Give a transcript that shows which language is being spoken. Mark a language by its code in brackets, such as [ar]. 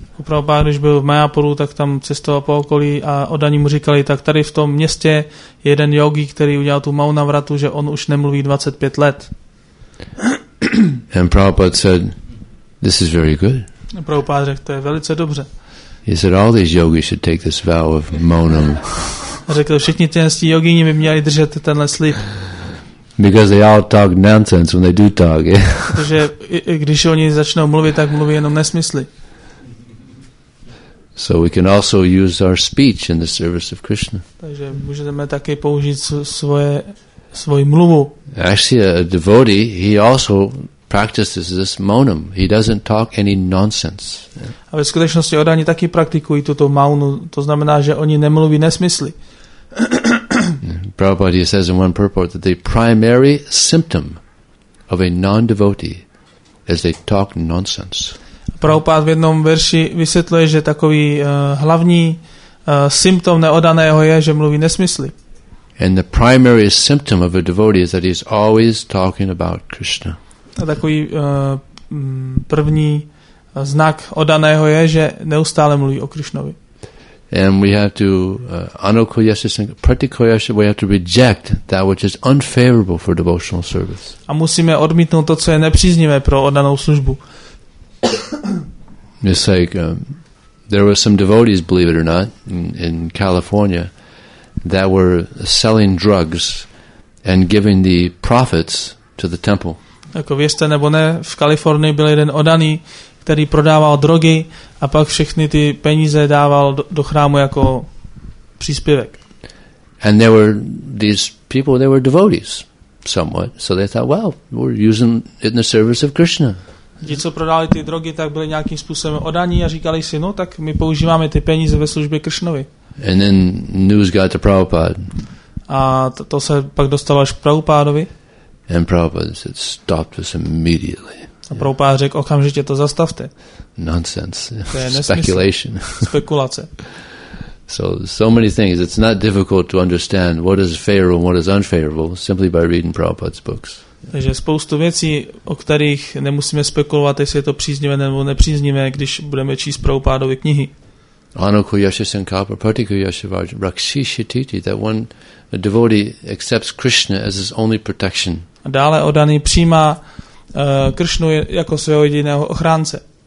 [cs] Prabhupada, když byl v Mayapuru, tak tam cestoval po okolí a oddaní mu říkali, tak tady v tom městě je jeden yogi, který udělal tu maunavratu, že on už nemluví 25 let. [en] And Prabhupada said, "This is very good." [cs] A Prabhupada řekl, to je velice dobře. [en] He said, "All these yogis should take this vow of monam." [cs] Řekl, všichni ti yogini by měli držet tenhle slib. [en] Because they all talk nonsense when they do talk. [cs] Protože když oni začnou mluvit, tak mluví jenom nesmysly. [en] So we can also use our speech in the service of Krishna. [cs] Takže můžeme také použít svoji mluvu. [en] Actually, a devotee, he also practices this maunam. He doesn't talk any nonsense. [cs] A ve skutečnosti oddaní taky praktikují tuto maunu. To znamená, že oni nemluví nesmysly. [en] Prabhupada, he says in one purport that the primary symptom of a non-devotee is they talk nonsense. [cs] Prabhupada v jednom verši vysvětluje, že takový hlavní symptom neodaného je, že mluví nesmysly. [en] And the primary symptom of a devotee is that he's always talking about Krishna. [cs] A takový první znak odaného je, že neustále mluví o Krišnovi. [en] And we have to anokoyasya, we have to reject that which is unfavorable for devotional service. [cs] A musíme odmítnout to, co je nepříznivé pro oddanou službu. [en] It's like there were some devotees, believe it or not, in California that were selling drugs and giving the profits to the temple. [cs] Jako věřte nebo ne, v Kalifornii byl jeden oddaný, který prodával drogy a pak všechny ty peníze dával do chrámu jako příspěvek. [en] And there were these people, they were devotees somewhat, so they thought, well, we're using it in the service of Krishna. [cs] Ti, co prodali ty drogy, tak byli nějakým způsobem oddaní a říkali si, no tak my používáme ty peníze ve službě Krishnovi. [en] And then news got to Prabhupada. [cs] A to se pak dostalo až k Prabhupádovi. [en] And Prabhupada said, "Stop this immediately." [cs] A Prabhupada řekl, okamžitě to zastavte. [en] Nonsense. [cs] To je nesmysl. [en] Speculation. [cs] Spekulace. [en] So many things. It's not difficult to understand what is favorable and what is unfavorable simply by reading Prabhupada's books. [cs] Takže spoustu věcí, o kterých nemusíme spekulovat, jestli je to příznivé nebo nepříznivé, když budeme číst Prabhupádovy knihy. [sa] Anukuyasya sankalpa pratikuyasya vajra rakshishititi, [en] that one devotee accepts Krishna as his only protection. [cs] A dále oddaný přijímá Krishnu jako svého jediného ochránce.